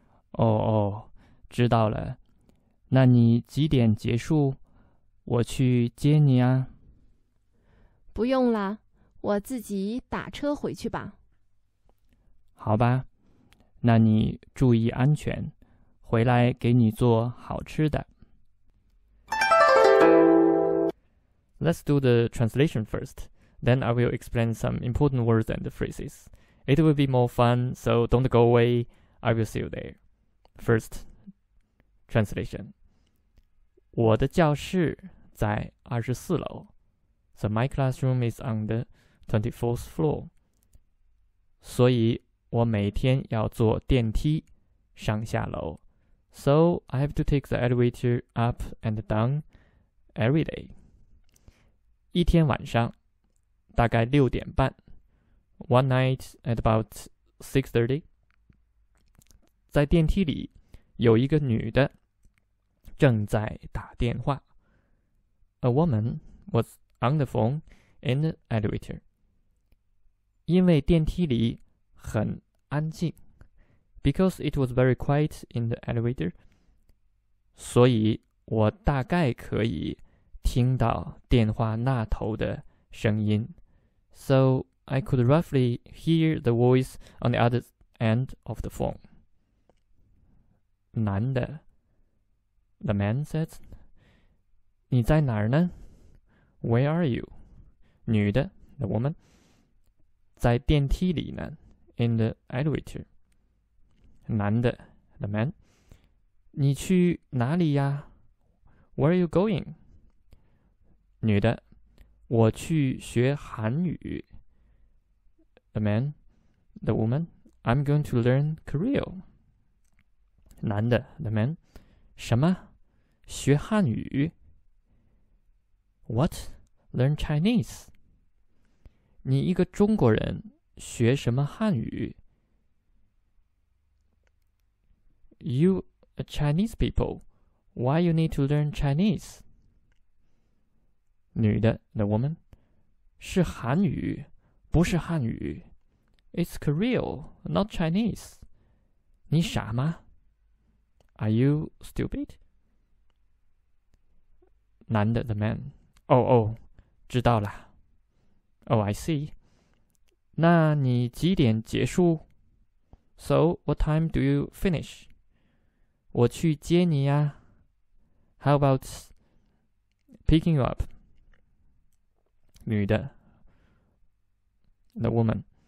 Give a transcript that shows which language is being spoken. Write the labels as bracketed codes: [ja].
[zh] 哦哦，知道了。那你几点结束？我去接你啊。不用了，我自己打车回去吧。好吧，那你注意安全，回来给你做好吃的。 [en] Let's do the translation first, then I will explain some important words and phrases. It will be more fun, so don't go away, I will see you there. First, translation. [zh] 我的教室在24楼。 [en] So my classroom is on the 24th floor. [zh] 所以我每天要坐电梯上下楼。 [en] So I have to take the elevator up and down every day. [zh] 一天晚上大概六点半。 [en] One night at about 6:30. [zh] 在电梯里有一个女的正在打电话。 [en] A woman was on the phone in the elevator. [zh] 因为电梯里很安静。 [en] Because it was very quiet in the elevator. [zh] 所以我大概可以听到电话那头的声音。 [en] So I could roughly hear the voice on the other end of the phone. [zh] 男的。 [en] The man said, [zh] 你在哪儿呢? [en] Where are you? [zh] 女的, [en] the woman, [zh] 在电梯里呢, [en] in the elevator. [zh] 男的, [en] the man, [zh] 你去哪里呀? [en] Where are you going? [zh] 女的, 我去学韩语。 [en] The man, the woman, I'm going to learn Korean. [zh] 男的, [en] the man, [zh] 什么?学汉语? [en] What? Learn Chinese? [zh] 你一个中国人学什么汉语? [en] You a Chinese people. Why you need to learn Chinese? [zh] 女的, [en] the woman, [zh] 是韩语,不是汉语。 [en] It's Korean, not Chinese. [zh] 你傻吗? [en] Are you stupid? [zh] 男的, [en] the man, [zh] 哦哦，知道了。 [en] Oh, I see. [zh] 那你几点结束? [en] So, what time do you finish? [zh] 我去接你呀。 [en] How about picking you up? [zh] 女的。 [en] The woman.